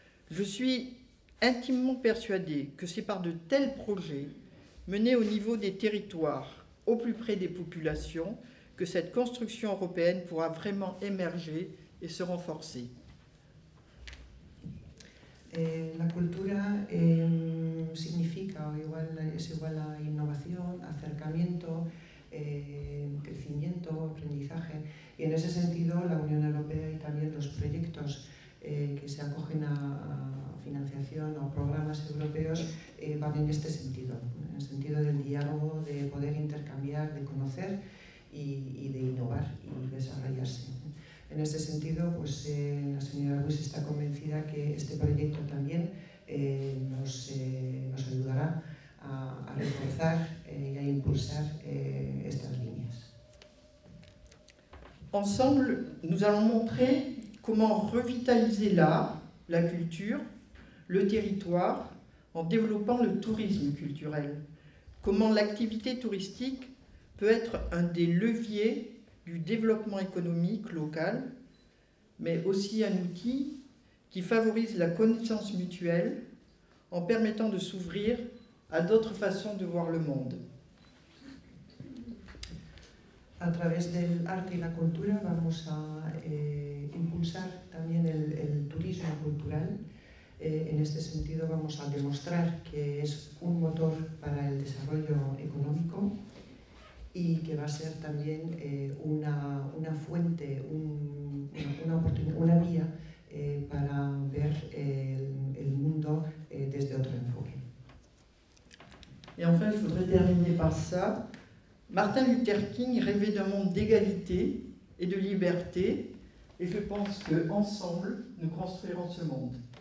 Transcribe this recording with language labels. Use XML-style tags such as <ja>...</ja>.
<fr>Je suis intimement persuadée que c'est par de tels projets menés au niveau des territoires, au plus près des populations, que cette construction européenne pourra vraiment émerger et se renforcer.</fr> <es>La cultura significa, o igual es igual a innovación, acercamiento, crecimiento, aprendizaje. Y en ese sentido, la Unión Europea y también los proyectos que se acogen a financiación o programas europeos van en este sentido, en el sentido del diálogo, de poder intercambiar, de conocer y de innovar y desarrollarse. En este sentido, pues la señora Ruiz está convencida que este proyecto también nos ayudará a reforzar y a impulsar estas líneas.</es> <fr>Ensemble, nous allons montrer comment revitaliser l'art, la culture, le territoire en développant le tourisme culturel. Comment l'activité touristique peut être un des leviers du développement économique local, mais aussi un outil qui favorise la connaissance mutuelle en permettant de s'ouvrir à d'autres façons de voir le monde.</fr> <es>A través del arte y la cultura vamos a impulsar también el turismo cultural. En este sentido vamos a demostrar que es un motor para el desarrollo económico y que va a ser también una fuente, una vía para ver el mundo desde otro enfoque.</es> <fr>Y, enfin, je voudrais terminer par ça. Martin Luther King rêvait d'un monde d'égalité et de liberté, et je pense qu'ensemble, nous construirons ce monde.</fr>